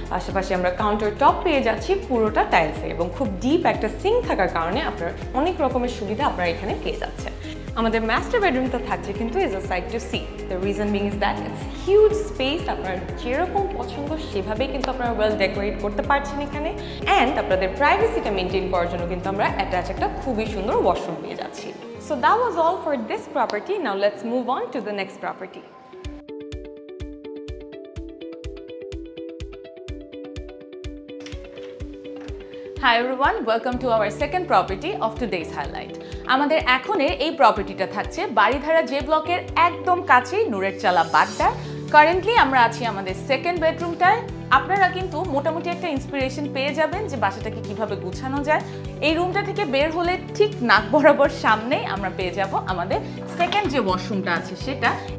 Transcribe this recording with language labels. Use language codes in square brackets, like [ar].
[bn] আশেপাশে আমরা counter top পেয়ে যাচ্ছি পুরোটা টাইলসে এবং খুব ডিপ একটা সিঙ্ক থাকার কারণে আপনার অনেক রকমের সুবিধা আপনারা এখানে পেয়ে যাচ্ছেন। আমাদের মাস্টার বেডরুমটা থাকছে কিন্তু [en] Is a side to see. The reason being is that it's huge space, [bn] আপনার যেরকম পছন্দ সেভাবে কিন্তু আপনারা ওয়েল ডেকোরেট করতে পারছেন এখানে। অ্যান্ড আপনাদের প্রাইভেসিটা মেনটেন করার জন্য কিন্তু আমরা অ্যাটাচ একটা খুবই সুন্দর ওয়াশরুম পেয়ে যাচ্ছি। [en] So that was all for this property. Now let's move on to the next property. Hi everyone, welcome to our second property of today's highlight. [bn] আমাদের এখনের এই প্রপার্টিটা থাকছে বাড়িধারা জে ব্লকের একদম কাছেই নূরের চালা বাড্ডা। কারেন্টলি আমরা আছি আমাদের সেকেন্ড বেডরুমটায়। আপনারা কিন্তু মোটামুটি একটা ইন্সপিরেশন পেয়ে যাবেন যে বাসাটাকে কিভাবে গুছানো যায়। এই রুমটা থেকে বের হলে ঠিক নাক বরাবর সামনেই আমরা পেয়ে যাব আমাদের সেকেন্ড যে ওয়াশরুমটা আছে সেটা।